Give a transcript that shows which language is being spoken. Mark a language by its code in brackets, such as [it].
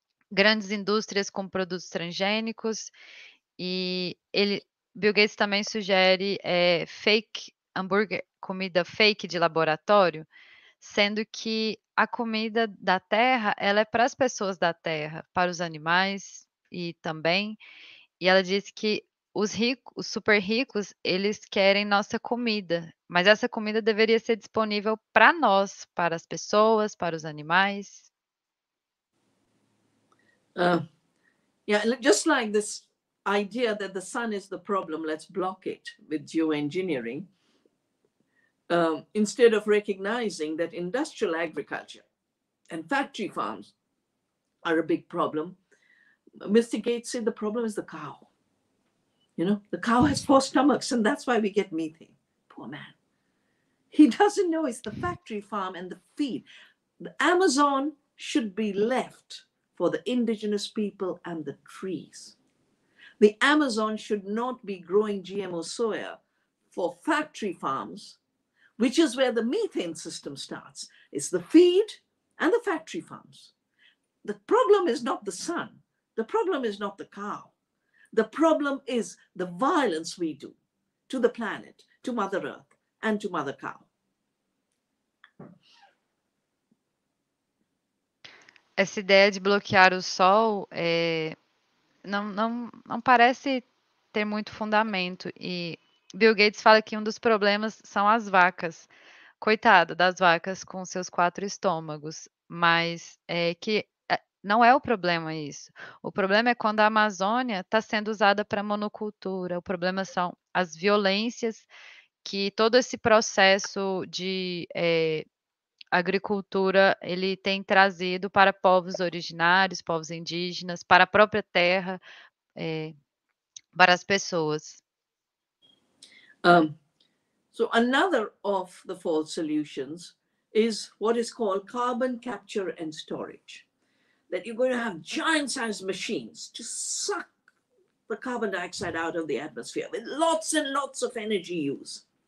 [pt] grandes indústrias com produtos transgênicos, e Bill Gates também sugere fake hambúrguer, comida fake de laboratório, sendo que a comida da terra, ela é para as pessoas da terra, para os animais e também, e ela diz que os ricos, os super ricos, eles querem nossa comida, mas essa comida deveria ser disponível para nós, para as pessoas, para os animais. [en] Just like this idea that the sun is the problem, let's block it with geoengineering, instead of recognizing that industrial agriculture and factory farms are a big problem, Mr. Gates said the problem is the cow. You know, the cow has four stomachs and that's why we get methane. Poor man. He doesn't know it's the factory farm and the feed. The Amazon should be left for the indigenous people and the trees. The Amazon should not be growing GMO soya for factory farms, which is where the methane system starts. It's the feed and the factory farms. The problem is not the sun. The problem is not the cow. The problem is the violence we do to the planet, to Mother Earth, and to Mother Cow. [pt] Essa ideia de bloquear o sol não parece ter muito fundamento. E Bill Gates fala que um dos problemas são as vacas. Coitada das vacas com seus quatro estômagos. Mas não é o problema isso. O problema é quando a Amazônia está sendo usada para monocultura. O problema são as violências que todo esse processo de agricultura, ele tem trazido para povos originários, povos indígenas, para a própria terra, para as pessoas. [en] So another of the false solutions is what is called carbon capture and storage. That you're going to have giant sized machines to suck the carbon dioxide out of the atmosphere with lots and lots of energy use.